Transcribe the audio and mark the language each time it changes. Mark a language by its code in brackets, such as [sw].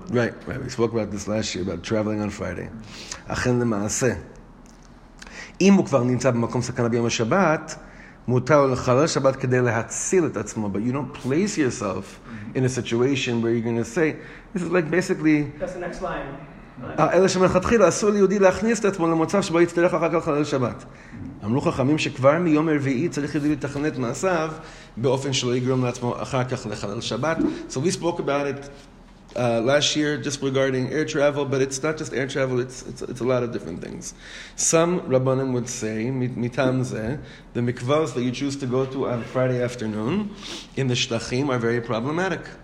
[en] Right, we spoke about this last year, about traveling on Friday. [he] אכן למעשה, אם הוא כבר נמצא במקום סכנה ביום השבת, מותר לחלל שבת כדי להציל את עצמו. [en] But you don't place yourself in a situation where you're going to say, this is like basically... That's the next line. [he] אלה שמלכתחילה, אסור ליהודי להכניס את עצמו למוצב שבו יצטרך אחר כך לחלל שבת. אמרו חכמים שכבר מיום הרביעי צריך ידעי לתכנן את מעשיו באופן שלא יגרום לעצמו אחר כך לחלל שבת. [en] So we spoke about it last year just regarding air travel, but it's not just air travel, it's a lot of different things. Some rabbanim would say, [he] מטעם זה, [en] the mikvahs that you choose to go to on Friday afternoon in the shtachim are very problematic.